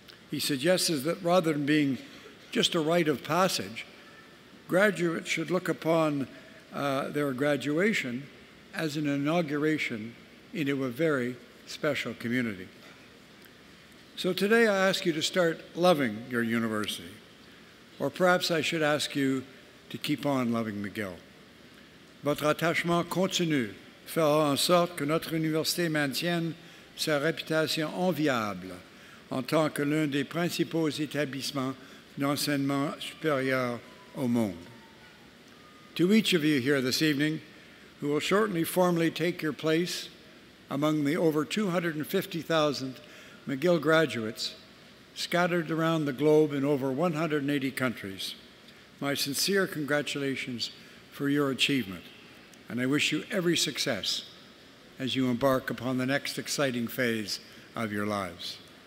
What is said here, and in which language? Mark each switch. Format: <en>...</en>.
<en>He suggests that rather than being just a rite of passage, graduates should look upon their graduation as an inauguration into a very special community. So today I ask you to start loving your university, or perhaps I should ask you to keep on loving McGill.</en> <fr>Votre attachement continu fera en sorte que notre université maintienne sa réputation enviable en tant que l'un des principaux établissements d'enseignement supérieur au monde.</fr> <en>To each of you here this evening, who will shortly formally take your place among the over 250,000 McGill graduates scattered around the globe in over 180 countries, my sincere congratulations for your achievement, and I wish you every success as you embark upon the next exciting phase of your lives.</en>